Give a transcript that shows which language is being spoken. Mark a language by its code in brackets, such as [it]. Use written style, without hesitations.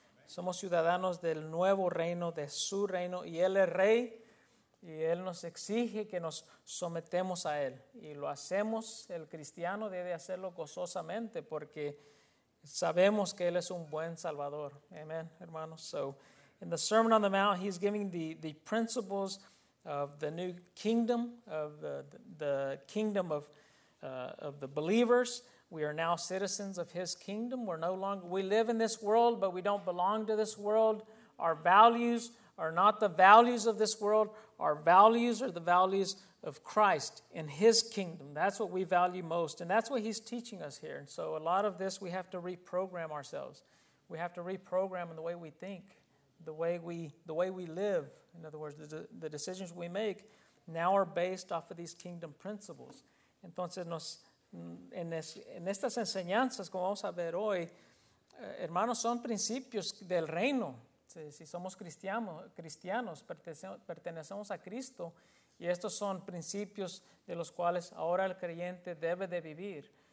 [es] Somos ciudadanos del nuevo reino, de su reino, y Él es Rey. Y Él nos exige que nos sometemos a Él. Y lo hacemos, el cristiano debe hacerlo gozosamente porque sabemos que Él es un buen Salvador. Amen, hermanos. [en] So, in the Sermon on the Mount, he's giving the principles of the new kingdom, of the kingdom of the believers. We are now citizens of his kingdom. We live in this world, but we don't belong to this world. Our values are not the values of this world. Our values are the values of Christ in his kingdom. That's what we value most. And that's what he's teaching us here. And so a lot of this, we have to reprogram ourselves. We have to reprogram in the way we think, the way we live. In other words, the decisions we make now are based off of these kingdom principles. [es] Entonces, en estas enseñanzas, como vamos a ver hoy, hermanos, son principios del reino. Si somos cristianos, pertenecemos a Cristo, y estos son principios de los cuales ahora el creyente debe de vivir.